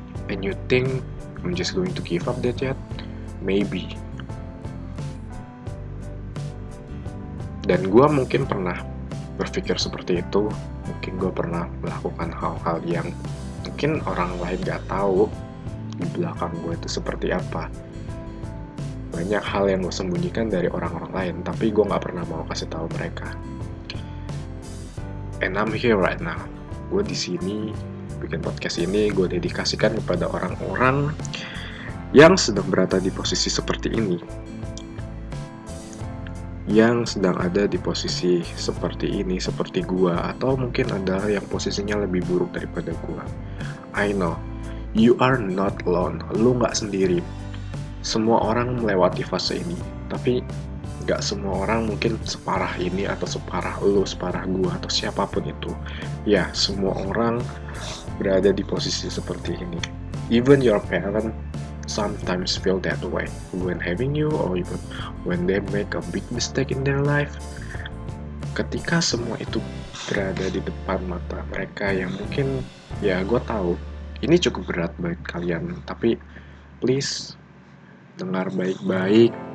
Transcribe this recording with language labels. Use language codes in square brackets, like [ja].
[en] And you think I'm just going to give up that yet? Maybe. [id] Dan gue mungkin pernah berpikir seperti itu. Mungkin gue pernah melakukan hal-hal yang mungkin orang lain gak tahu di belakang gue itu seperti apa. Banyak hal yang gue sembunyikan dari orang-orang lain, tapi gue gak pernah mau kasih tahu mereka. [en] And I'm here right now. [id] Gue di sini bikin podcast ini, gue dedikasikan kepada orang-orang yang sedang berada di posisi seperti ini, yang sedang ada di posisi seperti ini, seperti gue, atau mungkin ada yang posisinya lebih buruk daripada gue. [en] I know, you are not alone. [id] Lu gak sendiri. Semua orang melewati fase ini, tapi gak semua orang mungkin separah ini atau separah lu, separah gua atau siapapun itu. Ya, semua orang berada di posisi seperti ini. [en] Even your parents sometimes feel that way when having you, or even when they make a big mistake in their life. [id] Ketika semua itu berada di depan mata mereka, yang mungkin, ya gua tahu ini cukup berat buat kalian, tapi please dengar baik-baik.